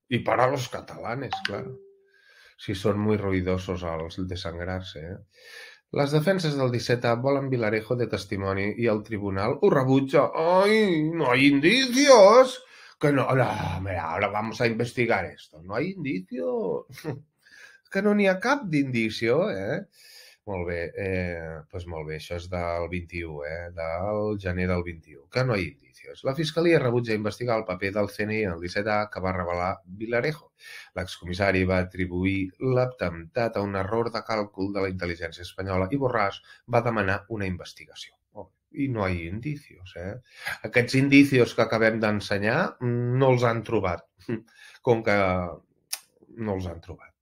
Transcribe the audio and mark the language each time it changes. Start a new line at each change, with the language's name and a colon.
Spanish: Y para los catalanes, claro. Si son muy ruidosos al desangrarse, ¿eh? Las defensas del 17
Catalan: volen Vilarejo de testimoni i el tribunal ho rebutja. ¡Ay!
Spanish: ¡No hay indicios! Que no... Ahora, mira, ahora vamos a investigar esto. No hay indicio.
Catalan: Que no n'hi ha cap
Spanish: d'indicio, ¿eh?
Catalan: Molt bé, pues molt bé, això és del 21, del gener del 21, que no hi ha indicis. La Fiscalia rebutja investigar el paper del CNI en el 17A que va revelar Vilarejo. L'excomissari va atribuir l'atemptat a un error de càlcul de la intel·ligència espanyola i Borràs va demanar una investigació. Oh, i no hi ha indicis, eh? Aquests indicis que acabem d'ensenyar no els han trobat, com que no els han trobat.